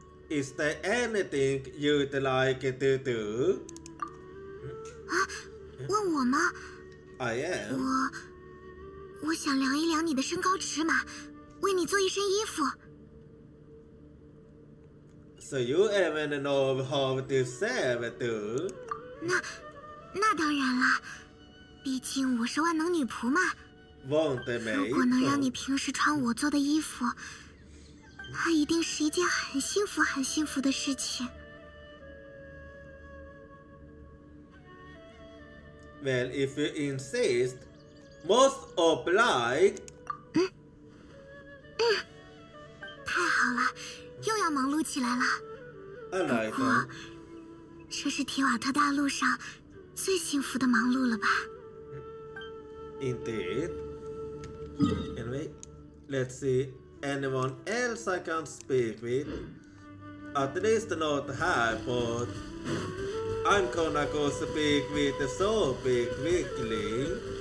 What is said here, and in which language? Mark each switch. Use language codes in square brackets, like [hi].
[en] Is there anything you'd like to do? [zh] 啊，问我吗 [en] ？I am. [zh] 我想量一量你的身高尺码，为你做一身衣服。 [en] So you even know how to serve too? [zh] 那当然了，毕竟我是万能女仆嘛。 [en] Won't it be? [zh] 如果能让你平时穿我做的衣服，那一定是一件很幸福、很幸福的事情。 [en] Well, if you insist, most obliged. [zh] 太好了，又要忙碌起来了。不过，这是提瓦特大陆上最幸福的忙碌了吧 [en] ？Indeed. Anyway, let's see anyone else I can speak with. At least not here, but I'm gonna go speak with Sophie quickly.